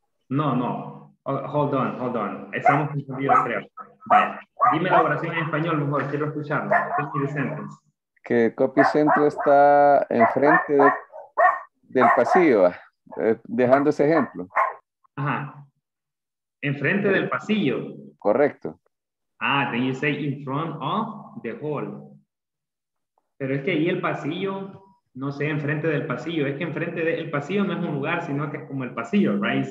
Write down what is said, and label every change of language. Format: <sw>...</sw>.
<es>No.</es> <en>Hold on.</en> <es>Estamos confundidos, creo. Vale. Dime la oración en español, mejor. Quiero escucharlo.</es> <en>Give me the sentence.</en> <es>Que Copy Center está enfrente de, del pasillo, dejando ese ejemplo. Ajá. Enfrente del pasillo. Correcto.</es> <en>Ah, then you say in front of the hall.</en> <es>Pero es que ahí el pasillo, no sé, enfrente del pasillo. Es que enfrente del pasillo no es un lugar, sino que es como el pasillo, right?</es>